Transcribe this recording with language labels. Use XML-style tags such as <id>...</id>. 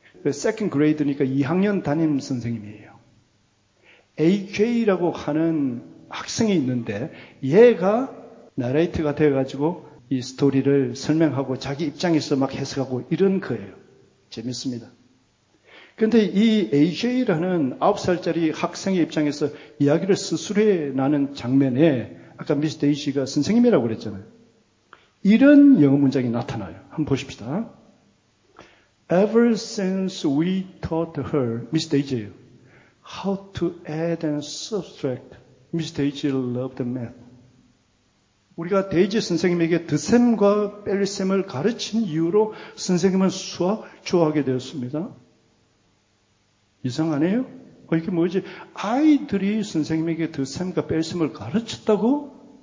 <ko>세컨드 그레이드니까 2학년 담임 선생님이에요. AJ라고 하는 학생이 있는데 얘가 나레이트가 돼가지고 이 스토리를 설명하고 자기 입장에서 막 해석하고 이런 거예요. 재밌습니다. 그런데 이 AJ라는 9살짜리 학생의 입장에서 이야기를 스스로 나는 장면에 아까 미스 데이시가 선생님이라고 그랬잖아요. 이런 영어 문장이 나타나요. 한번 보십시다.</ko> <en>Ever since we taught her, Miss Daisy, how to add and subtract, Miss Daisy loved math.</en> <ko>우리가 데이지 선생님에게 드셈과 뺄셈을 가르친 이후로 선생님은 수학을 좋아하게 되었습니다. 이상하네요? 이게 뭐지? 아이들이 선생님에게 드셈과 뺄셈을 가르쳤다고?</ko>